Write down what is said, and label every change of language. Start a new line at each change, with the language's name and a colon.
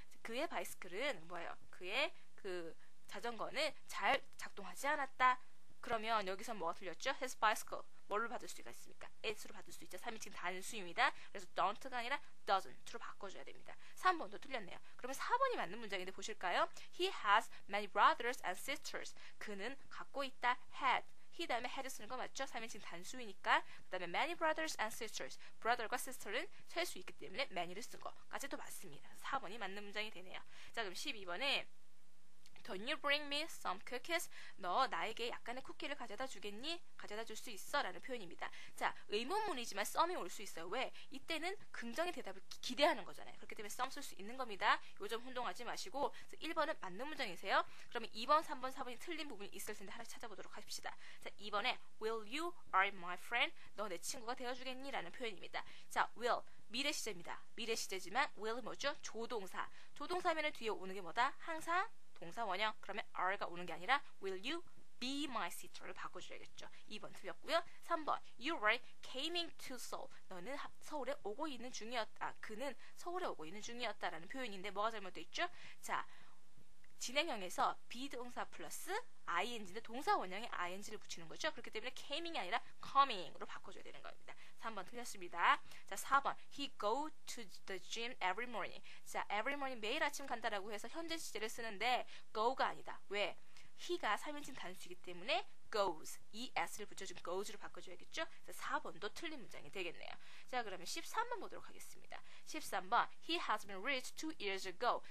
Korean: 그의 바이스클은 뭐예요? 그의 그 자전거는 잘 작동하지 않았다. 그러면 여기서 뭐가 틀렸죠?
English: His bicycle.
Korean: 뭘로 받을 수가 있습니까? It로 받을 수 있죠. 3인칭 단수입니다. 그래서 don't가 아니라 doesn't로 바꿔줘야 됩니다. 3번도 틀렸네요. 그러면 4번이 맞는 문장인데 보실까요?
English: He has many brothers and sisters.
Korean: 그는 갖고 있다. Had. He 다음에 had 쓰는 거 맞죠? 3인칭 단수이니까. 그 다음에
English: many brothers and sisters.
Korean: brother과 sister는 셀 수 있기 때문에 many를 쓴 것까지도 맞습니다. 4번이 맞는 문장이 되네요. 자, 그럼 12번에
English: Don't you bring me some cookies?
Korean: 너 나에게 약간의 쿠키를 가져다 주겠니? 가져다 줄 수 있어? 라는 표현입니다. 자, 의문문이지만 some이 올 수 있어요. 왜? 이때는 긍정의 대답을 기대하는 거잖아요. 그렇기 때문에 some 쓸 수 있는 겁니다. 요점 혼동하지 마시고. 1번은 맞는 문장이세요. 그러면 2번, 3번, 4번이 틀린 부분이 있을 텐데 하나씩 찾아보도록 합시다. 자, 2번에
English: Will you are my friend?
Korean: 너 내 친구가 되어주겠니? 라는 표현입니다. 자, will 미래 시제입니다. 미래 시제지만 will 뭐죠? 조동사. 조동사면 뒤에 오는 게 뭐다? 항상 동사 원형. 그러면 are가 오는 게 아니라
English: will you be my sister
Korean: 를 바꿔줘야겠죠. 2번 틀렸고요.
English: 3번 you were coming to Seoul.
Korean: 너는 서울에 오고 있는 중이었다. 그는 서울에 오고 있는 중이었다라는 표현인데 뭐가 잘못돼 있죠? 자, 진행형에서 be 동사 플러스 ing인데 동사 원형에 ing를 붙이는 거죠. 그렇기 때문에 coming이 아니라 coming으로 바꿔줘야 되는 겁니다. 3번 틀렸습니다. 자, 4번
English: He go to the gym every morning.
Korean: 자, every morning 매일 아침 간다라고 해서 현재 시제를 쓰는데 go가 아니다. 왜? he가 3인칭 단수이기 때문에 goes, es를 붙여준 goes로 바꿔줘야겠죠? 4번도 틀린 문장이 되겠네요. 자, 그러면 13번 보도록 하겠습니다.
English: 13번 He has been rich 2 years ago.